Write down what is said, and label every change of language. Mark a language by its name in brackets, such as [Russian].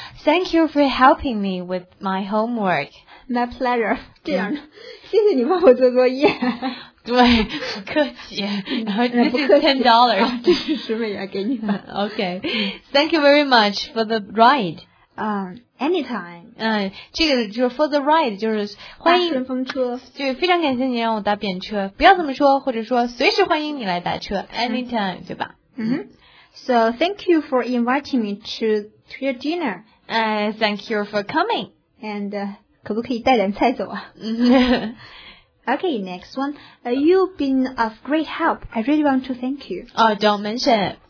[English] thank you for helping me with my homework My pleasure， [Chinese] 这样的、谢谢你帮我做作业。对，不客气。然后这是$10，这是$10给你们。 [English] Okay， thank you very much for the ride. Anytime. [Chinese] 这个就是 [English] for the ride， [Chinese] 就是欢迎顺风车。对，非常感谢你让我搭便车。不要这么说，或者说随时欢迎你来搭车。 [English] Anytime， [Chinese] 对吧？ [English] So thank you for inviting me to your dinner. Thank you for coming. And [Chinese] 可不可以带点菜走啊 [English] Okay, next one. You've been of great help. I really want to thank you. Oh, don't mention it.